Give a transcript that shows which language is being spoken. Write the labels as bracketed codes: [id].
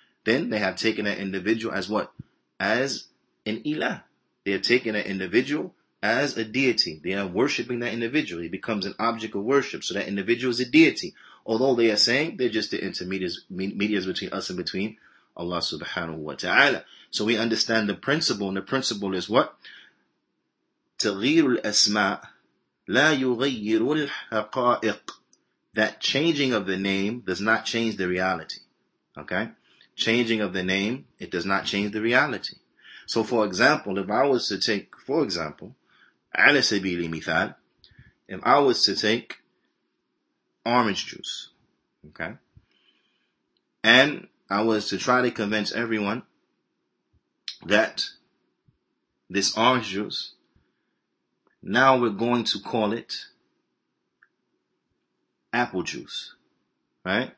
[en] Then they have taken that individual as what? As an ilah. They have taken that individual as a deity. They are worshipping that individual. He becomes an object of worship. So that individual is a deity. Although they are saying they're just the intermediaries between us and between Allah subhanahu wa ta'ala. So we understand the principle. And the principle is what? [ar] تغيير الأسماء لا يغير الحقائق. [en] That changing of the name does not change the reality. Okay? Changing of the name, it does not change the reality. So for example, if I was to take, for example, [ar] على سبيل المثال, [en] if I was to take orange juice, okay, and I was to try to convince everyone that this orange juice, now we're going to call it apple juice, right?